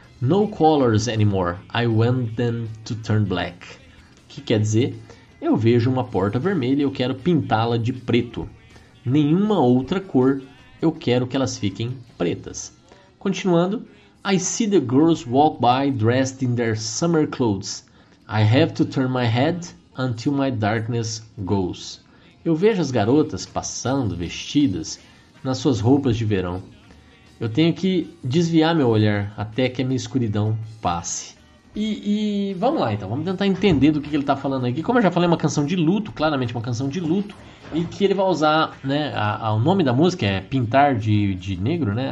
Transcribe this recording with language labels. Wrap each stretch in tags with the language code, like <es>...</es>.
<en>No colors anymore, I want them to turn black.</en> <pt>O que quer dizer? Eu vejo uma porta vermelha e eu quero pintá-la de preto. Nenhuma outra cor, eu quero que elas fiquem pretas. Continuando:</pt> <en>I see the girls walk by dressed in their summer clothes. I have to turn my head until my darkness goes.</en> <pt>Eu vejo as garotas passando vestidas nas suas roupas de verão. Eu tenho que desviar meu olhar até que a minha escuridão passe. E vamos lá então, vamos tentar entender do que ele está falando aqui. Como eu já falei, é uma canção de luto, claramente uma canção de luto. E que ele vai usar, né, o nome da música é pintar de negro, né?</pt>